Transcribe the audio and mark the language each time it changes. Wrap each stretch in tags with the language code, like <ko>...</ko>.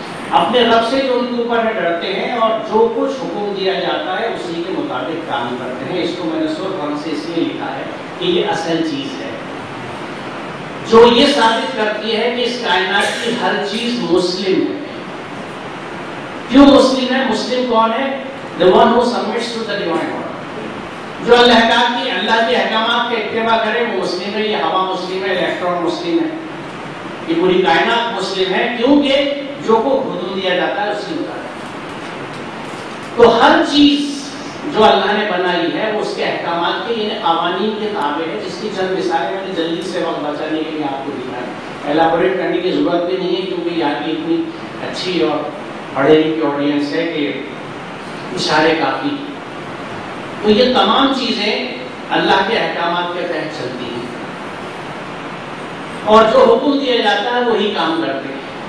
<ur>اپنے رب سے جو ان کے اوپر ڈرتے ہیں اور جو کچھ حکم دیا جاتا ہے اسی کے مطابق کام کرتے ہیں. اس کو میں نے سورہ فرق سے اس لیے لکھا ہے کہ یہ اصل چیز ہے جو یہ ثابت کرتی ہے کہ اس کائنات کی ہر چیز مسلم ہے. کیوں مسلم ہے؟ مسلم کون ہے؟</ur> <en>The one who submits to the divine order.</en> <ur>جو اللہ کا کی اللہ کے احکامات کے اتباع کرے وہ مسلم ہے، یہ ہوا مسلم ہے، الیکٹران مسلم ہے، یہ پوری کائنات مسلم ہے، کیونکہ جو کو حدود دیا جاتا ہے اسی مطابق۔ تو ہر چیز جو اللہ نے بنائی ہے اس کے احکامات کے یعنی قوانین کے تابع ہے، جس کی چند مثالیں میں نے جلدی سے وقت بچانے کے لیے آپ کو دکھایا، ایلابوریٹ کرنے کی ضرورت بھی نہیں ہے کیونکہ یہاں کی اتنی اچھی اور پڑھے لکھے آڈینس ہے کہ اشارے کافی۔ تو یہ تمام چیزیں اللہ کے احکامات کے تحت چلتی ہیں اور جو حکم دیا جاتا ہے وہی کام کرتے ہیں۔</ur>